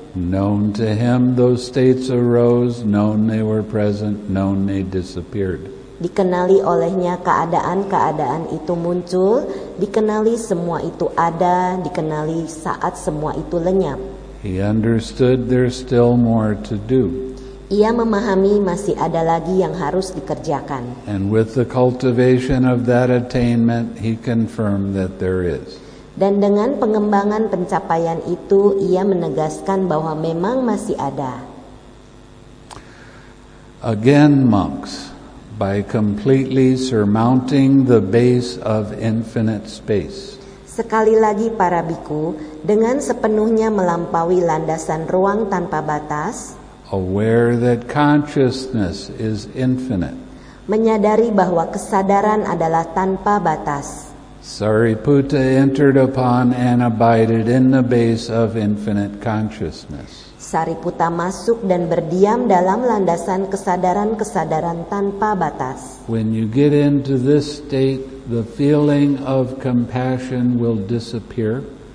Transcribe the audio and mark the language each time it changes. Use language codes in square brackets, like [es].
[en] Known to him, those states arose, known they were present, known they disappeared. [id] Dikenali olehnya keadaan-keadaan itu muncul, dikenali semua itu ada, dikenali saat semua itu lenyap. [en] He understood there's still more to do. [id] Ia memahami masih ada lagi yang harus dikerjakan. [en] And with the cultivation of that attainment, he confirmed that there is. [id] Dan dengan pengembangan pencapaian itu, ia menegaskan bahwa memang masih ada. [en] Again, monks, by completely surmounting the base of infinite space. [id] Sekali lagi para bhikkhu, dengan sepenuhnya melampaui landasan ruang tanpa batas. [en] Aware that consciousness is infinite. [id] Menyadari bahwa kesadaran adalah tanpa batas. [en] Sariputta entered upon and abided in the base of infinite consciousness. [id] Sariputta masuk dan berdiam dalam landasan kesadaran-kesadaran tanpa batas. [en] When you get into this state, the feeling of compassion will disappear.